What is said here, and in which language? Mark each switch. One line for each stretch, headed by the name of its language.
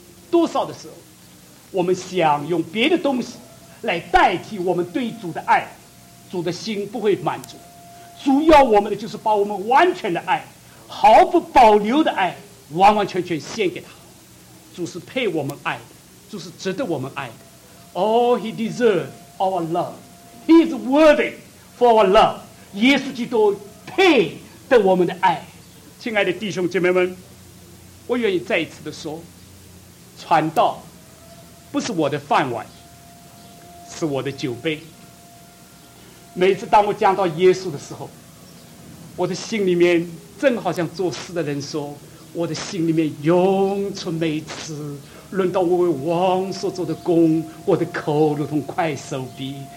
Chinese: 多少的时候我们想用别的东西来代替我们对主的爱，主的心不会满足。主要我们的就是把我们完全的爱，毫不保留的爱，完完全全献给他。主是配我们爱的，主是值得我们爱的。
English: All he deserves our love, he is worthy for our love。
Chinese: 耶稣基督配得我们的爱。亲爱的弟兄姐妹们，我愿意再一次的说，传道不是我的饭碗，是我的酒杯。每次当我讲到耶稣的时候，我的心里面正好像作诗的人说，我的心里面涌出美词，论到我为王所做的功，我的口如同快手笔。